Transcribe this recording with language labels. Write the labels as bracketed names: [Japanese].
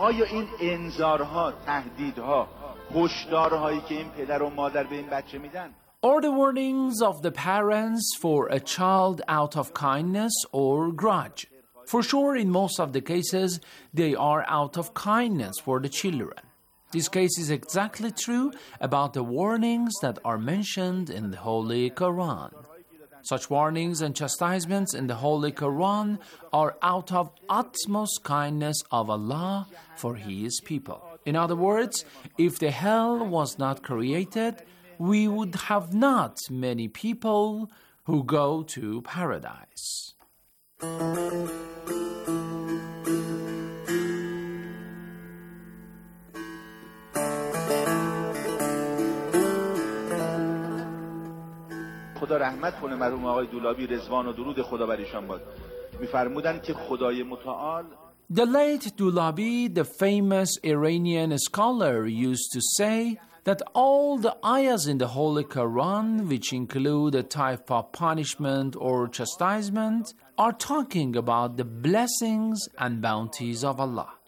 [Persian] این انذارها، تهدیدها، هشدارهایی که این پدر و مادر به این بچه میدن. [English] Or the warnings of the parents for a child out of kindness or grudge. For sure, in most of the cases, they are out of kindness for the children. This case is exactly true about the warnings that are mentioned in the Holy Quran. Such warnings and chastisements in the Holy Quran are out of utmost kindness of Allah for His people. In other words, if the hell was not created, we would have not many people who go to paradise. [Persian] خدا رحمت کنه مرحوم آقای دولابی رضوان و درود خدا بر ایشان باد. می‌فرمودن که خدای متعال [English] The late Dulabi, the famous Iranian scholar, used to say that all the ayahs in the Holy Quran, which include a type of punishment or chastisement, are talking about the blessings and bounties of Allah.